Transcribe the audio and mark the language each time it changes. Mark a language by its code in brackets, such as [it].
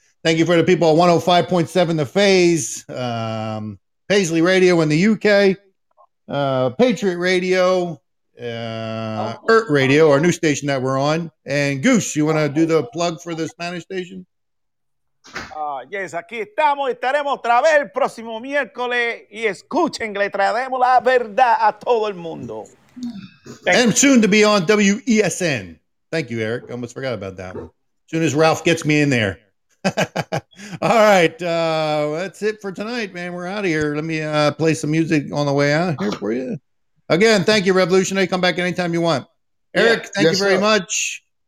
[en] Thank you for the people at 105.7 The Phase, Paisley Radio in the UK, Patriot Radio, Earth Radio, our new station that we're on. And Goose, you want to do the plug for the Spanish station? [es] Yes, aquí estamos, estaremos otra vez el próximo miércoles y escuchen, le traemos la verdad a todo el mundo. [en] And soon to be on WESN. Thank you, Eric. I almost forgot about that one. As soon as Ralph gets me in there. All right, that's it for tonight, man. We're out of here. Let me play some music on the way out here for you. Again, thank you, Revolution. I come back anytime you want. Eric, thank you very much.